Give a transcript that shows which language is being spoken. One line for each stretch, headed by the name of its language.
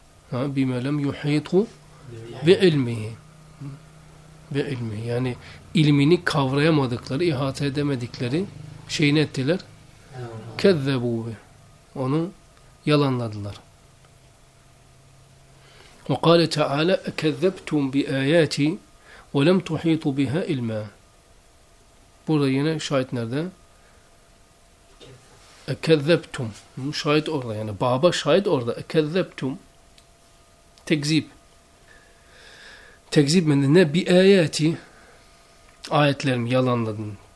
Arabic: Ha, bima lem yuhitu bi ilmihi. Bi ilmihi.
Turkish: Yani ilmini kavrayamadıkları, ihata edemedikleri şeyi ne ettiler?
Arabic: Kezzebu bi.
Turkish: Onu yalanladılar.
Arabic: وقال تعالى أكذبتم بآياتي ولم تحيطوا بها علما.
Turkish: Burada yine şahit nerede? Ekezzebtum. Şahit orada yani. Baba şahit orada. Ekezzebtum. Tekzip. Tekzip mi? Ne? Bi ayeti. Ayetlerimi yalanladın.